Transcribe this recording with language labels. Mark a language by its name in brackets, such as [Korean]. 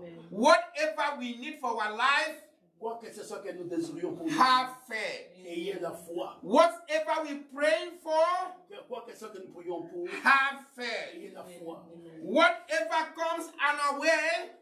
[English] Whatever we need for our life, [French] quoi que ce soit que nous désirions pour [English] have faith. [French] Ayez la foi. [English] Whatever we pray for, [French] quoi que ce soit que nous prions pour, [English] have faith. [French] Ayez la foi. [English] Whatever comes on our way,